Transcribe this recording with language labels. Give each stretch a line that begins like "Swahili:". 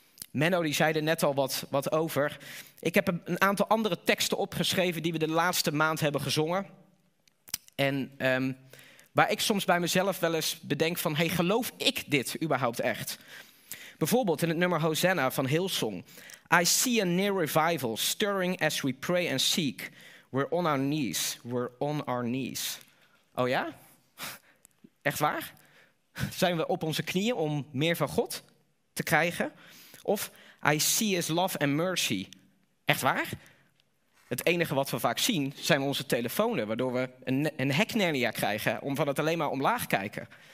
Dutch: Menno die zei er net al wat over. Ik heb een aantal andere teksten opgeschreven die we de laatste maand hebben gezongen. En waar ik soms bij mezelf wel eens bedenk van, hey, geloof ik dit überhaupt echt? Bijvoorbeeld in het nummer Hosanna van Hillsong.
English: I see a near revival stirring as we pray and seek. We're on our knees, we're on our knees.
Dutch: Oh ja? Echt waar? Zijn we op onze knieën om meer van God te krijgen? Of
English: I see is love and mercy.
Dutch: Echt waar? Het enige wat we vaak zien zijn onze telefoons, waardoor we een heknernia krijgen omdat het alleen maar omlaag kijken.